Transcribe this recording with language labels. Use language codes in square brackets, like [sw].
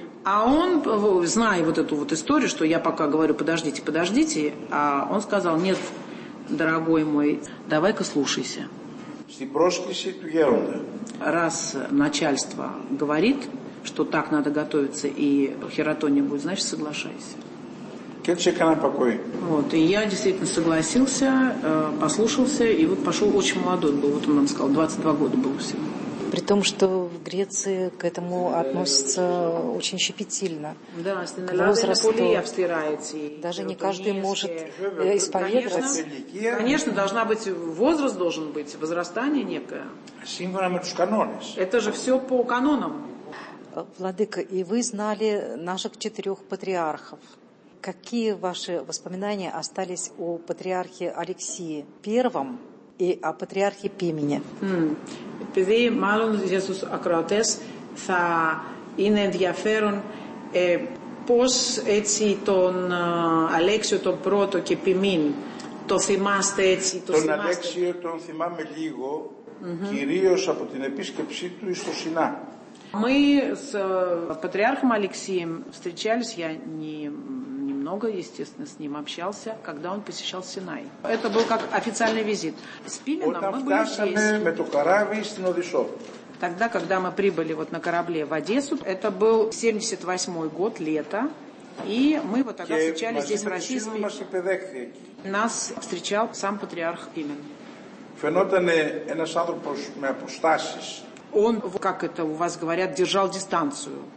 [ru] А он, зная вот эту вот историю, что я пока говорю, подождите, подождите, а он сказал, нет, дорогой мой, давай-ка слушайся. [el] Στην πρόσκληση του γέροντα. [ru] Раз начальство говорит, что так надо готовиться, и хиротония будет, значит, соглашайся. [el] Και έτσι έκανα покой. [ru] Вот, и я действительно согласился, послушался, и вот пошел очень молодой был. Вот он нам сказал, 22 года было всего. При том, что в Греции к этому относятся очень щепетильно. Да, к возрасту. Даже не каждый может исповедоваться. Конечно, конечно, должна быть, возраст должен быть, возрастание некое. Сингвана мы тут канонис. Это же все по канонам. Владыка, и вы знали наших четырех патриархов. Какие ваши воспоминания остались о патриархе Алексии Первом и о патриархе Пимене? [el] Επειδή μάλλον για τους ακροατές θα είναι ενδιαφέρον πώς έτσι τον Αλέξιο τον πρώτο και Πιμήν το θυμάστε έτσι. Τον Αλέξιο τον θυμάμαι λίγο, mm-hmm. κυρίως από την επίσκεψή του στο Σινά. [ru] Мы с патриархом Алексеем встречались, я немного, естественно, с ним общался, когда он посещал Синай. Это был как официальный визит. С Пилином мы были здесь. Тогда, когда мы прибыли вот на корабле в Одессу, это был 78-й год, лето, и мы вот тогда встречались здесь в России. Нас встречал сам патриарх Пилин. [el] Фенотане ένας άνθρωπος με αποστάσεις. [ru] Он, как это у вас говорят, держал дистанцию.